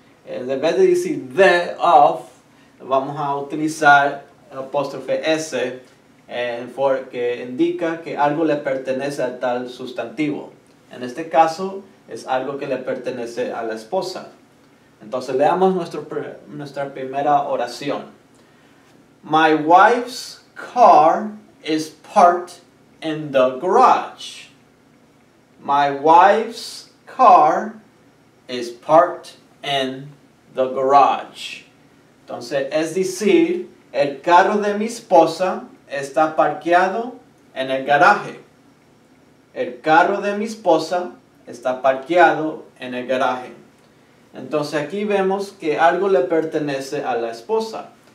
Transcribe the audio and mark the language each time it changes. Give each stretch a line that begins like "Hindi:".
Spanish: En vez de decir
English: the of,
Spanish: vamos a utilizar el apóstrofe S que indica que algo le pertenece a tal sustantivo. En este caso es algo que le pertenece a la esposa. Entonces leamos nuestra primera oración.
English: My wife's car is parked in the garage. My wife's car is parked in the garage.
Spanish: Entonces, es decir, el carro de mi esposa está parqueado en el garaje. El carro de mi esposa está parqueado en el garaje. Entonces, aquí vemos que algo le pertenece a la esposa.